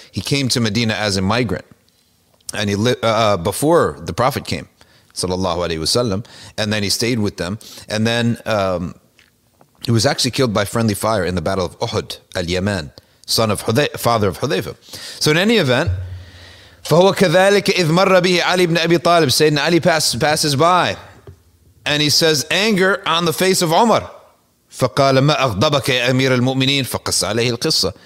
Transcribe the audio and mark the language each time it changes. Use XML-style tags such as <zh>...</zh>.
<en>He came to Medina as a migrant. And he before the Prophet came. Sallallahu alayhi wasallam, and then he stayed with them, and then he was actually killed by friendly fire in the Battle of Uhud al-Yaman, father of Hudhayfa. So in any event,</en> <ar>فهو كذلك إذ مر به علي بن أبي طالب.</ar> <en>سيدنا Ali passes by and he says anger on the face of Umar.</en> <ar>فقال ما أغضبك يا أمير المؤمنين فقص عليه القصة.</ar>